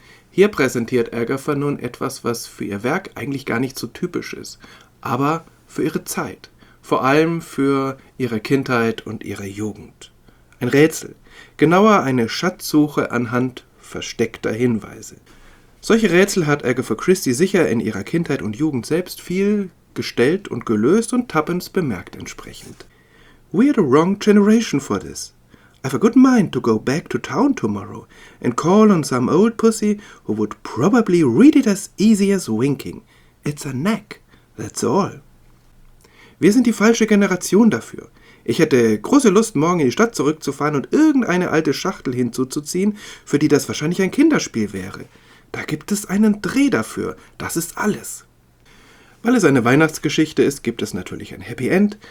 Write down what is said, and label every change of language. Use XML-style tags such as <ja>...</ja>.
<de>Hier präsentiert Agatha nun etwas, was für ihr Werk eigentlich gar nicht so typisch ist, aber für ihre Zeit, vor allem für ihre Kindheit und ihre Jugend. Ein Rätsel, genauer eine Schatzsuche anhand versteckter Hinweise. Solche Rätsel hat Agatha Christie sicher in ihrer Kindheit und Jugend selbst viel gestellt und gelöst und Tuppence bemerkt entsprechend.</de> <en>We're the wrong generation for this. I've a good mind to go back to town tomorrow and call on some old pussy who would probably read it as easy as winking. It's a knack, that's all.</en> <de>Wir sind die falsche Generation dafür. Ich hätte große Lust, morgen in die Stadt zurückzufahren und irgendeine alte Schachtel hinzuzuziehen, für die das wahrscheinlich ein Kinderspiel wäre. Da gibt es einen Dreh dafür, das ist alles. Weil es eine Weihnachtsgeschichte ist, gibt es natürlich ein Happy End.</de>